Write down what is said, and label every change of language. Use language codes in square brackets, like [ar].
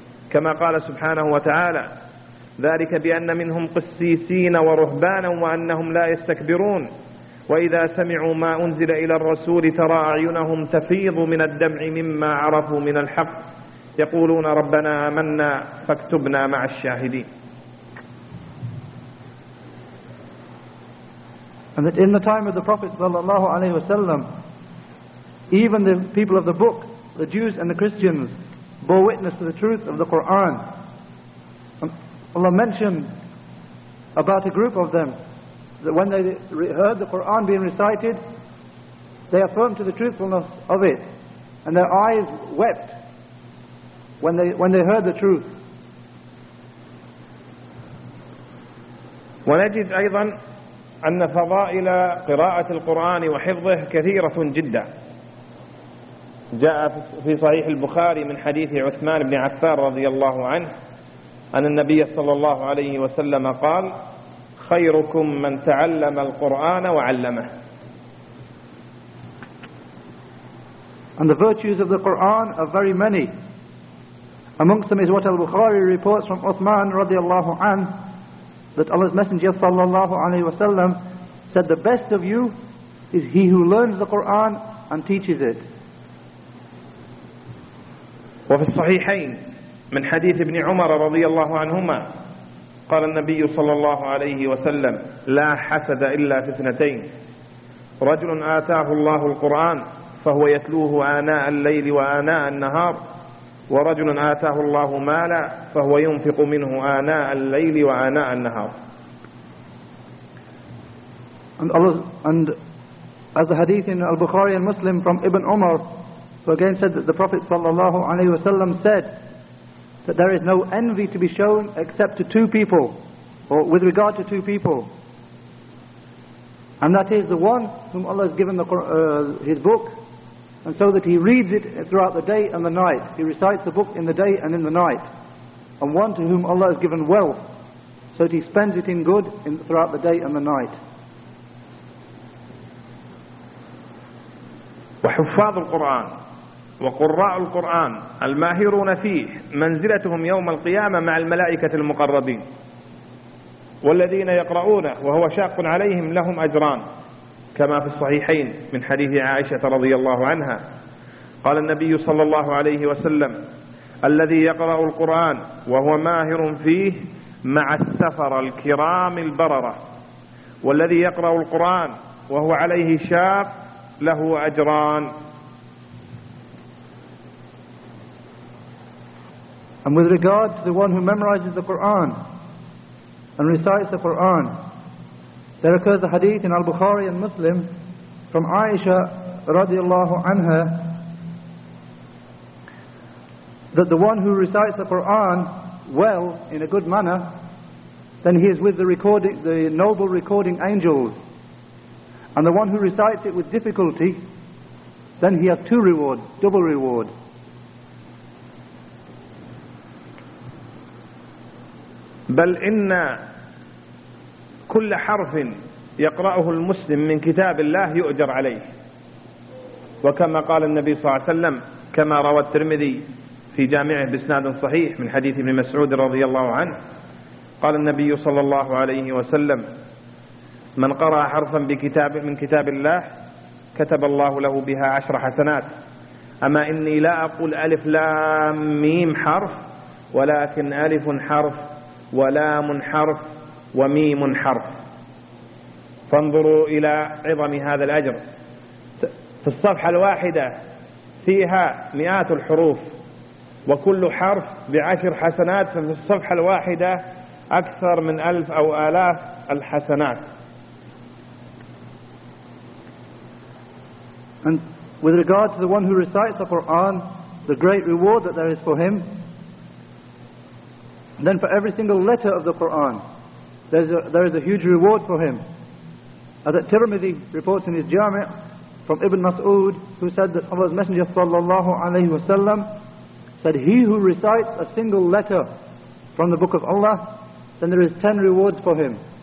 [ar] كما قال سبحانه وتعالى: ذلك بأن منهم قسيسين ورهبانا وأنهم لا يستكبرون وإذا سمعوا ما أنزل إلى الرسول ترى أعينهم تفيض من الدمع مما عرفوا من الحق يقولون ربنا آمنا فاكتبنا مع الشاهدين. [en] And that in the time of the Prophet [ar] sallallahu alaihi wasallam, [en] even the people of the book, the Jews and the Christians, bore witness to the truth of the Quran. Allah mentioned about a group of them when they heard the Quran being recited, they affirmed to the truthfulness of it, and their eyes wept when they heard the truth. [ar] ونجد أيضا أن فضائل قراءة القرآن وحفظه كثيرة جدا. جاء في صحيح البخاري من حديث عثمان بن عفان رضي الله عنه أن النبي صلى الله عليه وسلم قال: خيركم من تعلم القرآن وعلمه. [en] And the virtues of the Quran are very many. Amongst them is what al-Bukhari reports from Uthman [ar] رضي الله عنه, [en] that Allah's Messenger [ar] sallallahu alayhi wa sallam [en] said, the best of you is he who learns the Quran and teaches it. [ar] وفي الصحيحين من حديث ابن عمر رضي الله عنهما قال النبي صلى الله عليه وسلم: لا حسد إلا في اثنتين, رجل آتاه الله القرآن فهو يتلوه آناء الليل وآناء النهار, ورجل آتاه الله مالا فهو ينفق منه آناء الليل وآناء النهار. [en] And as the hadith in al-Bukhari and Muslim from Ibn Umar, who again said that the Prophet [ar] sallallahu alayhi wa sallam [en] said that there is no envy to be shown except to two people, or with regard to two people, and that is the one whom Allah has given the his book, and so that he reads it throughout the day and the night, he recites the book in the day and in the night, and one to whom Allah has given wealth, so that he spends it in good throughout the day and the night. [ar] وحفاظ القرآن وقراء القرآن الماهرون فيه منزلتهم يوم القيامة مع الملائكة المقربين, والذين يقرؤونه وهو شاق عليهم لهم أجران, كما في الصحيحين من حديث عائشة رضي الله عنها قال النبي صلى الله عليه وسلم: الذي يقرأ القرآن وهو ماهر فيه مع السفر الكرام البررة, والذي يقرأ القرآن وهو عليه شاق له أجران. [en] And with regard to the one who memorizes the Quran and recites the Quran, there occurs a hadith in al-Bukhari and Muslim from Aisha [ar] radiallahu anha [en] that the one who recites the Quran well, in a good manner, then he is with the noble recording angels, and the one who recites it with difficulty, then he has two rewards, double reward. [ar] بل إن كل حرف يقرأه المسلم من كتاب الله يؤجر عليه, وكما قال النبي صلى الله عليه وسلم كما روى الترمذي في جامعه بإسناد صحيح من حديث ابن مسعود رضي الله عنه قال النبي صلى الله عليه وسلم: من قرأ حرفا بكتاب من كتاب الله كتب الله له بها 10 حسنات, أما إني لا أقول ألف لام ميم حرف, ولكن ألف حرف ولام حرف وميم حرف, فانظروا إلى عظم هذا الأجر. في الصفحة الواحدة فيها مئات الحروف, وكل حرف ب10 حسنات, ففي الصفحة الواحدة أكثر من 1000 أو 1000 الحسنات. [en] And with regard to the one who recites the Quran, the great reward that there is for him, then for every single letter of the Quran there is a huge reward for him. As Tirmidhi reports in his Jami' from Ibn Mas'ud, who said that Allah's Messenger [ar] sallallahu alayhi wa sallam [en] said, he who recites a single letter from the Book of Allah, then there is 10 rewards for him.